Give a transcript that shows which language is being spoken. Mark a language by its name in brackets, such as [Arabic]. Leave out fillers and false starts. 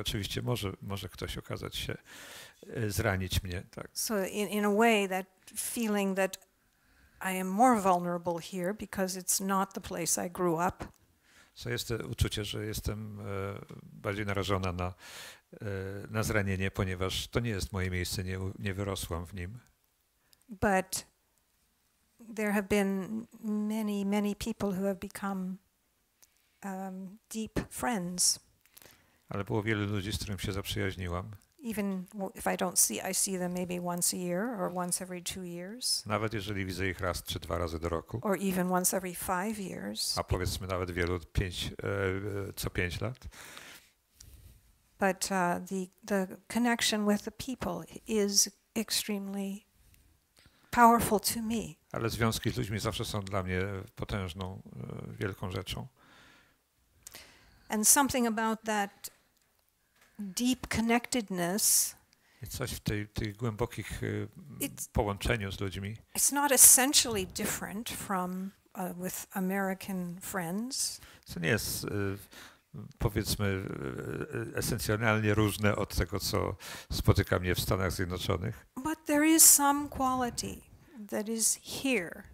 [Polish] Oczywiście może ktoś okazać się zranić mnie, tak. [English] So in a way that feeling that I am more vulnerable here because it's not the place I grew up. [Polish] So jest uczucie, że jestem bardziej narażona na zranienie, ponieważ to nie jest moje miejsce, nie wyrosłam w nim. [English] But there have been many, many people who have become deep friends. [Polish] Ale było wielu ludzi, z którym się zaprzyjaźniłam. [English] Even if I don't see, I see them maybe once a year or once every 2 years. [Polish] Nawet jeżeli widzę ich raz czy dwa razy do roku. [English] Or even once every 5 years. [Polish] A powiedzmy nawet wielu co 5 lat. [English] But the connection with the people is extremely powerful to me. [Polish] Ale związki z ludźmi zawsze są dla mnie potężną, wielką rzeczą. [English] And something about that deep connectedness. [Polish] I coś w tych głębokich połączeniu z ludźmi. [English] It's not essentially different from with American friends. [Polish] To nie jest, powiedzmy, esencjonalnie różne od tego, co spotyka mnie w Stanach Zjednoczonych. [English] But there is some quality that is here.